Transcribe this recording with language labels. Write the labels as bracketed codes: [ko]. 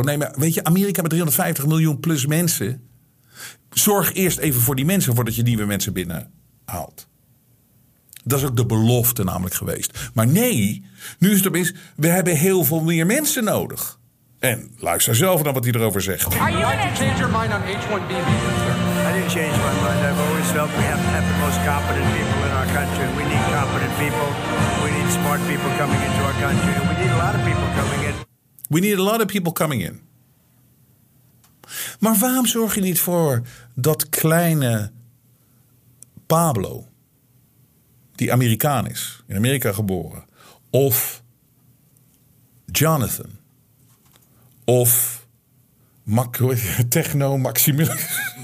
[nl] Nee, maar weet je, Amerika met 350 miljoen plus mensen, zorg eerst even voor die mensen voordat je nieuwe mensen binnenhaalt. Dat is ook de belofte namelijk geweest. Maar nee, nu is het opeens, we hebben heel veel meer mensen nodig. En luister zelf naar wat hij erover zegt. [en] Are you gonna change your mind on H1B? I didn't change my mind. I've always felt we have to have the most competent people in our country. We need competent people. We need smart people coming into our country. We need a lot of people coming in. We need a lot of people coming in. [nl] Maar waarom zorg je niet voor dat kleine Pablo, die Amerikaan is, in Amerika geboren, of Jonathan? Of techno-maximilis.